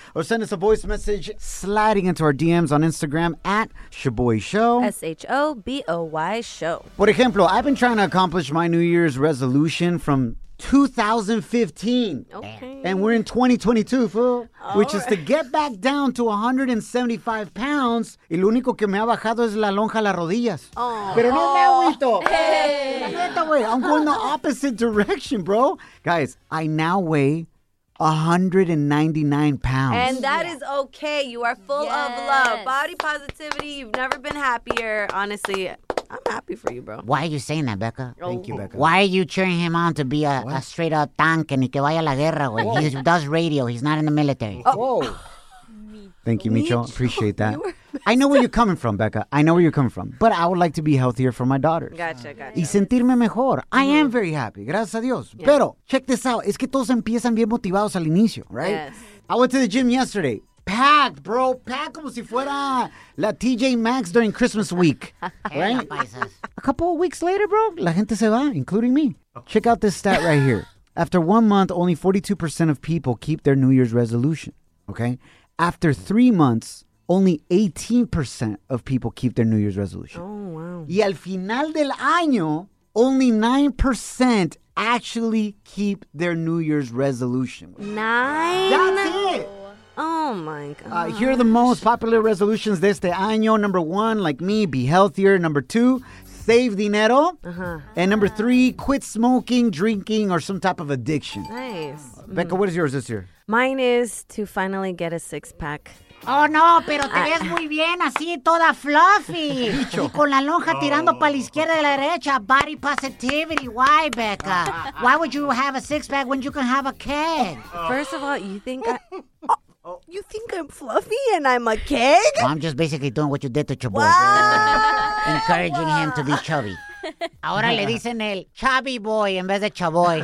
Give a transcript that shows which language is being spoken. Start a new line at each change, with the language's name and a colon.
English: Or send us a voice message sliding into our DMs on Instagram at Shaboy Show. S-H-O-B-O-Y Show.
Spanish: Por ejemplo,
English: I've been trying to accomplish my New Year's resolution from 2015. Okay. And we're in 2022, fool. All which right. is to get back down to 175 pounds.
Spanish: Y lo único que me ha bajado es la lonja a las rodillas. Oh. Pero no me agüito. Hey.
English: I'm going the opposite direction, bro. Guys, I now weigh 199 pounds. And that is okay. You are full of love. Body positivity. You've never been happier. Honestly, I'm happy for you, bro. Why are you saying that, Becca? Thank you, Becca. Why are you cheering him on to be a straight up tank and
Spanish: que vaya a la guerra, güey?
English: He does radio. He's not in the military. Thank you, Micho. Appreciate that. I know where you're coming from, Becca. I know where you're coming from. But I would like to be healthier for my daughters. Gotcha.
Spanish: Y sentirme mejor.
English: I am very happy.
Spanish: Gracias a Dios.
English: Yeah.
Spanish: Pero,
English: check this out.
Spanish: Es que todos empiezan bien motivados al inicio,
English: right? Yes. I went to the gym yesterday. Packed, bro. Packed
Spanish: como si fuera la
English: TJ Maxx during Christmas week. Right? A couple of weeks later, bro,
Spanish: la gente se va,
English: including me. Check out this stat right here. After 1 month, only 42% of people keep their New Year's resolution, okay? After 3 months, only 18% of people keep their New Year's resolution. Oh, wow.
Spanish: Y al final del año,
English: only 9% actually keep their New Year's resolution. Nine? That's it. Oh, my God. Here are the most popular resolutions
Spanish: de este año.
English: Number one, like me, be healthier. Number two, save dinero. Uh-huh. And number three, quit smoking, drinking, or some type of addiction. Nice. Becca, what is yours this year? Mine is to finally get a six-pack.
Spanish: Oh, no, pero te ves muy bien, así toda fluffy. Y con la lonja tirando para la izquierda y la derecha.
English: Body positivity. Why, Becca? Why would you have a six-pack when you can have a keg? First of all, you think I'm fluffy and I'm a keg? Well, I'm just basically doing what you did to your boy. Encouraging him to be chubby.
Spanish: Ahora le dicen el
English: chubby boy
Spanish: en vez de chaboy.